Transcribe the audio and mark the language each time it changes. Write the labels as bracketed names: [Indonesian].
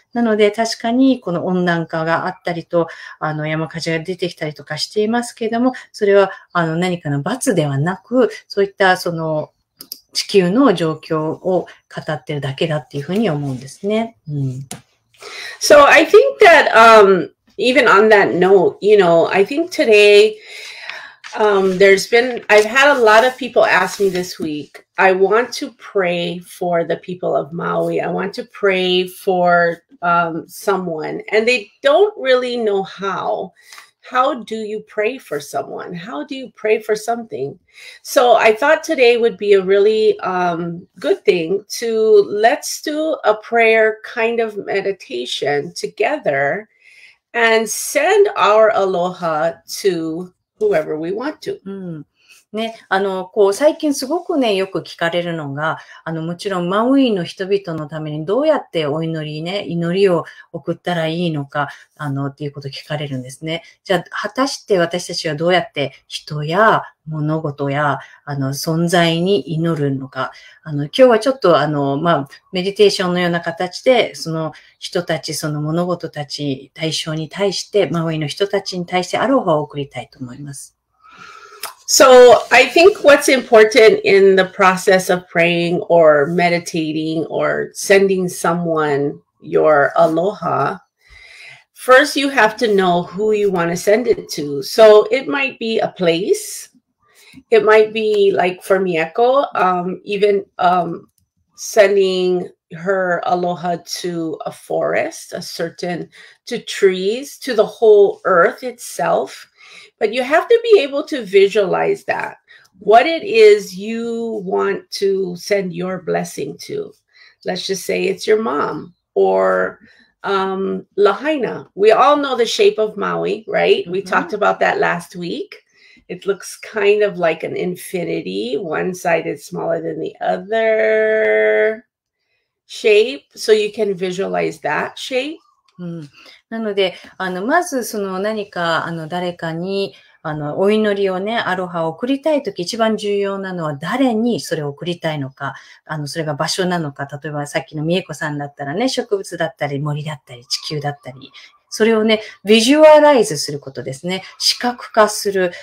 [Japanese] なので確かにこの温暖化があったりと、山火事が出てきたりとかしていますけれども、それは何かの罰ではなく、そういったその地球の状況を語ってるだけだっていうふうに思うんですね。うん。 [English] So I think that, even on that note, you know, I think today, I've had a lot of people ask me this week, I want to pray for the people of Maui. I want to pray for someone. And they don't really know how. How do you pray for someone? How do you pray for something? So I thought today would be a really good thing to let's do a prayer kind of meditation together and send our aloha to whoever we want to. うん。 [Japanese] ね、こう、最近すごくね、よく聞かれるのが、もちろん、マウイの人々のためにどうやってお祈りね、祈りを送ったらいいのか、っていうこと聞かれるんですね。じゃあ、果たして私たちはどうやって人や物事や、存在に祈るのか。今日はちょっと、メディテーションのような形で、その人たち、その物事たち対象に対して、マウイの人たちに対してアロハを送りたいと思います。 [English] So I think what's important in the process of praying or meditating or sending someone your aloha, first you have to know who you want to send it to. So it might be a place. It might be like for Mieko, even sending her aloha to a forest, a certain to trees, to the whole earth itself. But you have to be able to visualize that, what it is you want to send your blessing to. Let's just say it's your mom or Lahaina. We all know the shape of Maui, right? Mm-hmm. We talked about that last week. It looks kind of like an infinity. One side is smaller than the other shape. So you can visualize that shape. [Japanese] うん、なので、まず、その、何か、誰かに、お祈りをね、アロハを送りたいとき、一番重要なのは、誰にそれを送りたいのか、それが場所なのか、例えば、さっきの美恵子さんだったらね、植物だったり、森だったり、地球だったり、それをね、ビジュアライズすることですね、視覚化する。